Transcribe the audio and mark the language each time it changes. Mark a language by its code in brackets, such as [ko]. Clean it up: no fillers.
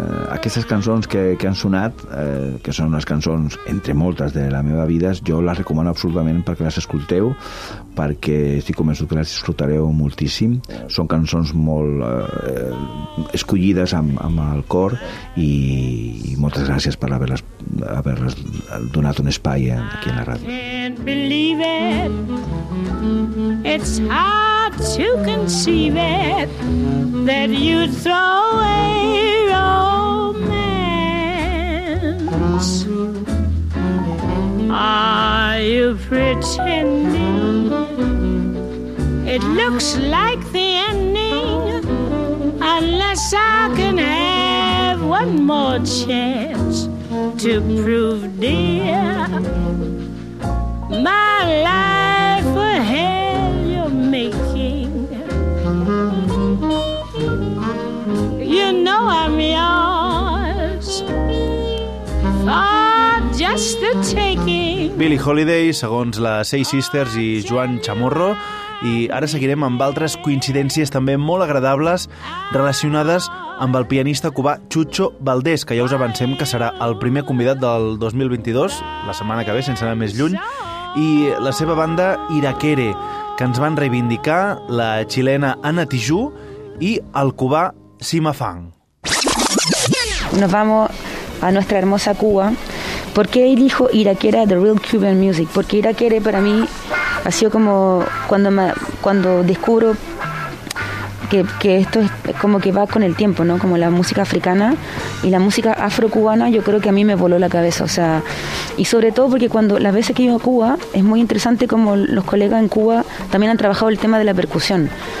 [ca] Aquestes cançons que han sonat, que són unes cançons entre moltes de la meva vida, jo les recomano absolutament perquè les escolteu, perquè estic convençut que les disfrutareu moltíssim. Són cançons molt escollides amb el cor i moltes gràcies per haver-les donat un espai aquí a la ràdio. [en] I can't believe it. It's hard to conceive it that you'd throw away romance. Are you pretending? It looks like the ending, unless I can have one more chance to prove, dear, my life a hell you're making. You know I'm yours for just the taking. [ca] Billie Holiday, segons la Say Sisters i Joan Chamorro. I ara seguirem amb altres coincidències també molt agradables relacionades amb el pianista cubà Chucho Valdés, que ja us avancem que serà el primer convidat del 2022, la setmana que ve, sense anar més lluny, i la seva banda Irakere, que ens van reivindicar la xilena Anna Tijú i el cubà Sima Fang. [es] Nos vamos a nuestra hermosa Cuba. ¿Por qué elijo Irakere, The Real Cuban Music? Porque Irakere para mí ha sido como cuando descubro que esto es como que va con el tiempo, ¿no? Como la música africana y la música afrocubana, yo creo que a mí me voló la cabeza, o sea, y sobre todo porque cuando las veces que he ido a Cuba, es muy interesante como los colegas en Cuba también han trabajado el tema de la percusión.